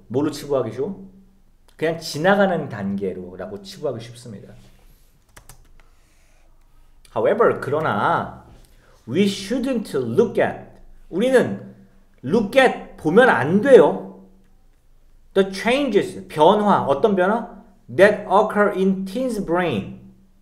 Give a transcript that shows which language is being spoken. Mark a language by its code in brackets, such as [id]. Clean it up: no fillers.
[ko] 뭘로 치부하기 쉬워? 그냥 지나가는 단계로라고 치부하기 쉽습니다. However, 그러나 [en] we shouldn't look at [ko] 우리는 look at 보면 안 돼요. The changes, 변화, 어떤 변화? [en] That occur in teens' brain.